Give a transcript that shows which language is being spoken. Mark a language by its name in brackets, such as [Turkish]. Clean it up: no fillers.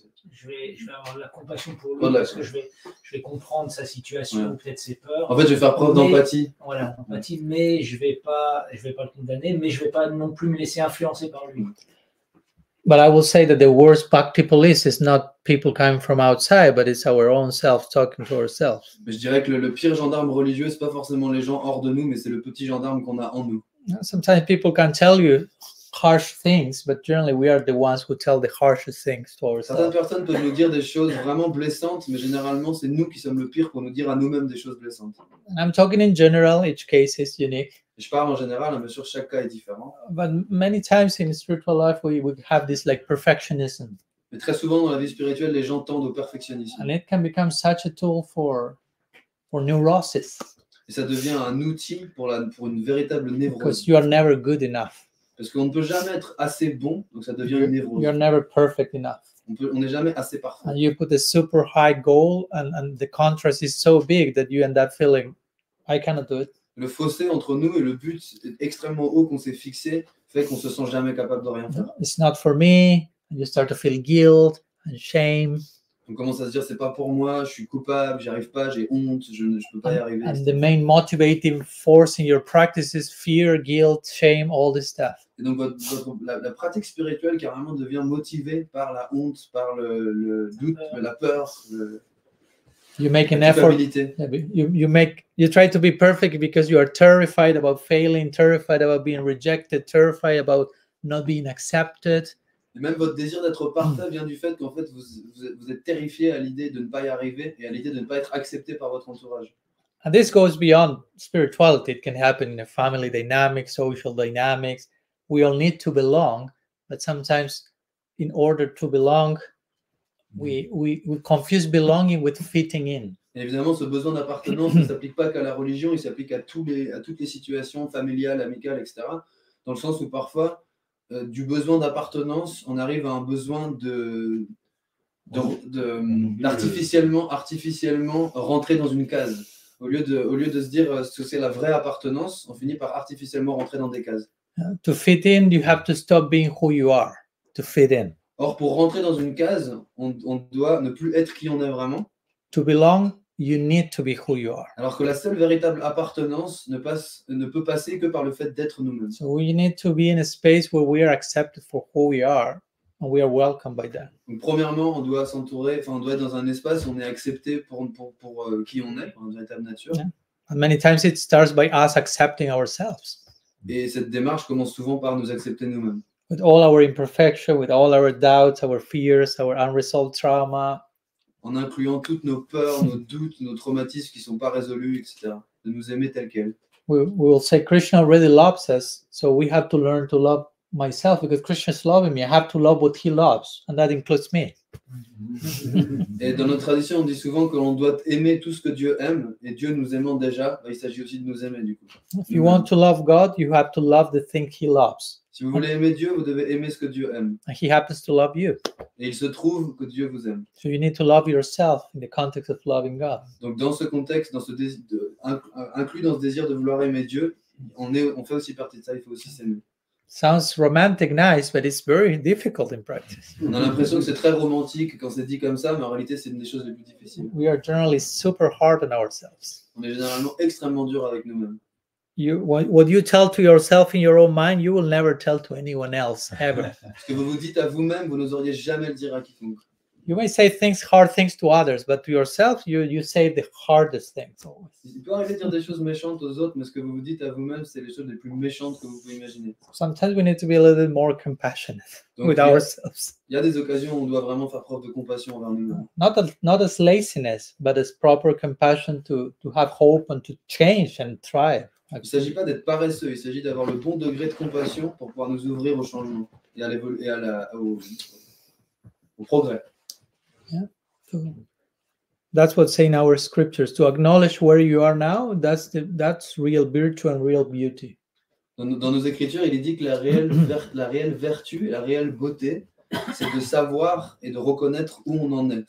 [French] Je vais avoir la compassion pour lui parce que je vais comprendre sa situation, ouais. Peut-être ses peurs. En fait, je vais faire preuve d'empathie. Voilà, empathie, ouais. Mais je vais pas le condamner, mais je vais pas non plus me laisser influencer par lui. [English] But I will say that the worst bhakti police is not people coming from outside, but it's our own self talking to ourselves. [French] Mais je dirais que le pire gendarme religieux, c'est pas forcément les gens hors de nous, mais c'est le petit gendarme qu'on a en nous. [English] Sometimes people can tell you harsh things, but generally we are the ones who tell the harshest things to ourselves. [French] Certaines personnes peuvent nous dire des choses vraiment blessantes, mais généralement c'est nous qui sommes le pire pour nous dire à nous-mêmes des choses blessantes. [English] And I'm talking in general, each case is unique. [French] Je parle en général, mais sûr, chaque cas est différent. [English] But many times in spiritual life we have this like perfectionism. [French] Mais très souvent dans la vie spirituelle, les gens tendent au perfectionnisme. [English] And it can become such a tool for neurosis. [French] et ça devient un outil pour la pour une véritable névrose. [English] Because you are never good enough. [French] Parce qu'on ne peut jamais être assez bon, donc ça devient une névrose. [English] You are never perfect enough. [French] On n'est jamais assez parfait. [English] And you put a super high goal, and the contrast is so big that you end up feeling, I cannot do it. [French] Le fossé entre nous et le but extrêmement haut qu'on s'est fixé fait qu'on se sent jamais capable de rien faire. [English] It's not for me. You start to feel guilt and shame. [French] On commence à se dire c'est pas pour moi, je suis coupable, j'y arrive pas, j'ai honte, je peux pas y arriver. [English] And the main motivating force in your practice is fear, guilt, shame, all this stuff. [French] Et donc la pratique spirituelle carrément devient motivée par la honte, par le doute, la peur. [English] You make an effort. You try to be perfect because you are terrified about failing, terrified about being rejected, terrified about not being accepted. [French] Et même votre désir d'être parfait vient du fait qu'en fait vous êtes terrifié à l'idée de ne pas y arriver et à l'idée de ne pas être accepté par votre entourage. [English] And this goes beyond spirituality. It can happen in a family dynamic, social dynamics. We all need to belong, but sometimes, in order to belong, we confuse belonging with fitting in. [French] Et évidemment, ce besoin d'appartenance ne s'applique pas qu'à la religion. Il s'applique à toutes les situations familiales, amicales, etc. Dans le sens où parfois du besoin d'appartenance, on arrive à un besoin d'artificiellement rentrer dans une case. Au lieu de se dire ce que c'est la vraie appartenance, on finit par artificiellement rentrer dans des cases. [English] To fit in, you have to stop being who you are to fit in. [French] Or, pour rentrer dans une case, on doit ne plus être qui on est vraiment. [English] To belong, you need to be who you are. [French] Alors que la seule véritable appartenance ne peut passer que par le fait d'être nous-mêmes. [English] So we need to be in a space where we are accepted for who we are, and we are welcomed by that. [French] Donc premièrement, on doit être dans un espace où on est accepté pour qui on est, pour notre véritable nature. [English] Yeah. And many times it starts by us accepting ourselves. [French] Et cette démarche commence souvent par nous accepter nous-mêmes. [English] With all our imperfections, with all our doubts, our fears, our unresolved trauma. [French] En incluant toutes nos peurs, nos doutes, nos traumatismes qui ne sont pas résolus, etc. De nous aimer tel quel. [English] We will say Krishna really loves us, so we have to learn to love myself because Krishna is loving me. I have to love what he loves, and that includes me. [French] Et dans notre tradition, on dit souvent que l'on doit aimer tout ce que Dieu aime, et Dieu nous aimant déjà, il s'agit aussi de nous aimer du coup. [English] If you want to love God, you have to love the thing he loves. [French] Si vous voulez aimer Dieu, vous devez aimer ce que Dieu aime. [English] And he happens to love you. [French] Et il se trouve que Dieu vous aime. [English] So you need to love yourself in the context of loving God. [French] Donc dans ce contexte, inclus dans ce désir de vouloir aimer Dieu, on fait aussi partie de ça, il faut aussi s'aimer. [English] Sounds romantic, nice, but it's very difficult in practice. [French] On a l'impression que c'est très romantique quand c'est dit comme ça, mais en réalité, c'est une des choses les plus difficiles. [English] We are generally super hard on ourselves. [French] On est généralement extrêmement dur avec nous-mêmes. [English] What you tell to yourself in your own mind, you will never tell to anyone else ever. [French] Ce que vous vous dites à vous-même, vous n'oseriez jamais le dire à quiconque. [English] You may say things, hard things to others, but to yourself, you say the hardest things. [French] Il peut arriver de dire des choses méchantes aux autres, mais ce que vous vous dites à vous-même, c'est les choses les plus méchantes que vous pouvez imaginer. [English] Sometimes we need to be a little more compassionate ourselves. [French] Il y a des occasions où on doit vraiment faire preuve de compassion envers nous-mêmes. [English] Not as laziness, but as proper compassion to have hope and to change and try. [French] Il ne s'agit pas d'être paresseux, il s'agit d'avoir le bon degré de compassion pour pouvoir nous ouvrir au changement et au progrès. [English] Yeah. That's what say in our scriptures. To acknowledge where you are now, that's real virtue and real beauty. [French] Dans nos écritures, il est dit que la réelle vertu et la réelle beauté, c'est de savoir et de reconnaître où on en est.